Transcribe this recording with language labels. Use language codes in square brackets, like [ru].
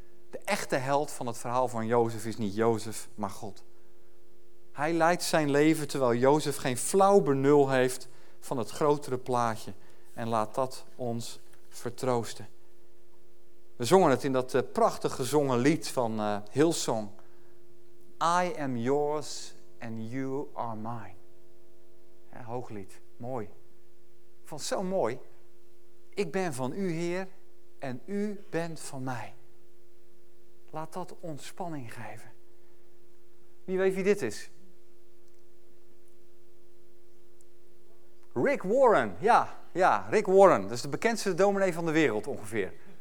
[nl] De echte held van het verhaal van Jozef is niet Jozef, maar God. Hij leidt zijn leven terwijl Jozef geen flauw benul heeft van het grotere plaatje. En laat dat ons vertroosten. We zongen het in dat prachtig gezongen lied van Hillsong. [en] I am yours and you are mine. [nl] Ja, hooglied, mooi. Ik vond het zo mooi. Ik ben van u, Heer, en u bent van mij. Laat dat ontspanning geven. Wie weet wie dit is? Rick Warren, ja, Rick Warren. Dat is de bekendste dominee van de wereld ongeveer.